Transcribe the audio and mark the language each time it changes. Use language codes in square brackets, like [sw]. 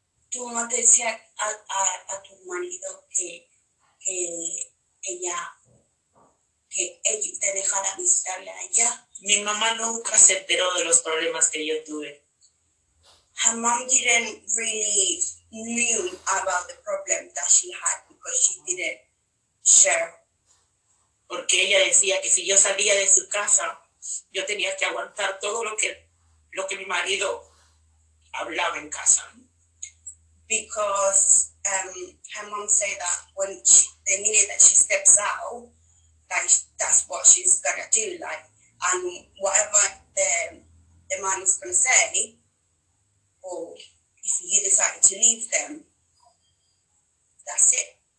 [es] Tu mamá decía a tu marido que ella, que dejara visitarle allá. Mi mamá nunca se enteró de los problemas que yo tuve. [en] Her mom didn't really knew about the problem that she had because she didn't share. [es] Porque ella decía que si yo salía de su casa, yo tenía que aguantar todo lo que mi marido hablaba en casa. [en] Because her mom said that when the minute that she steps out, that's what she's gonna do, like, and whatever the man is gonna say, or if he decided to leave them, that's it.